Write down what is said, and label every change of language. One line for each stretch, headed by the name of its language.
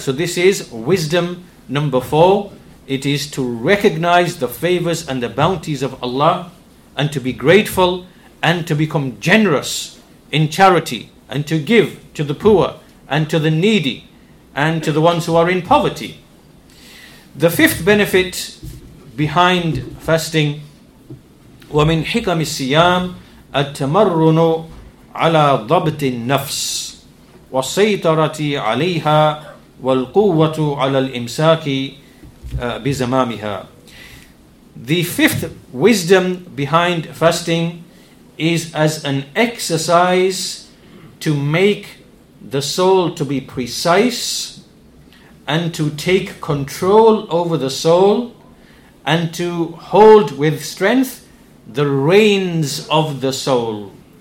English: So this is wisdom number four. It is to recognize the favors and the bounties of Allah, and to be grateful, and to become generous in charity, and to give to the poor, and to the needy, and to the ones who are in poverty. The fifth benefit behind fasting,
Arabic: وَمِنْ حِكَمِ السِّيَامِ التمرن على ضبط النفس والسيطرة عليها والقوة على الإمساك بزمامها.
English: The fifth wisdom behind fasting is as an exercise to make the soul to be precise and to take control over the soul and to hold with strength the reins of the soul.